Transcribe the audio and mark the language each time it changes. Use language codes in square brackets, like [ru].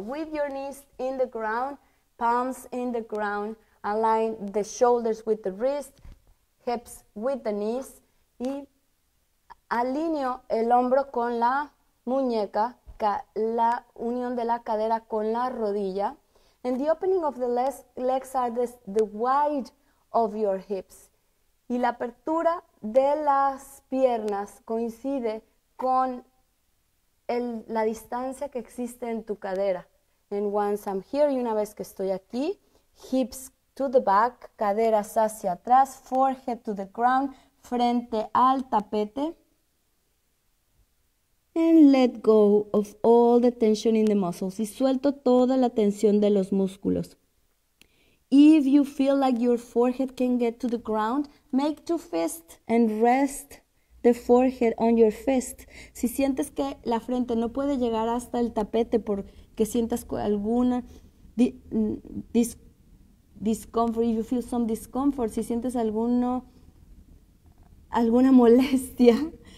[en] With your knees in the ground, palms in the ground, align the shoulders with the wrist, hips with the knees. [es] Y alineo el hombro con la muñeca. La unión de la cadera con la rodilla. [en] And the opening of the legs are the wide of your hips. [es] Y la apertura de las piernas coincide con la distancia que existe en tu cadera. [en] And once I'm here, [es] y una vez que estoy aquí, [en] hips to the back, [es] caderas hacia atrás, [en] forehead to the ground, [es] frente al tapete. [en] And let go of all the tension in the muscles. [es] Y suelto toda la tensión de los músculos. [en] If you feel like your forehead can get to the ground, make two fists and rest the forehead on your fist. [es] Si sientes que la frente no puede llegar hasta el tapete porque sientas alguna discomfort, [en] if you feel some discomfort, [es] si sientes alguna molestia.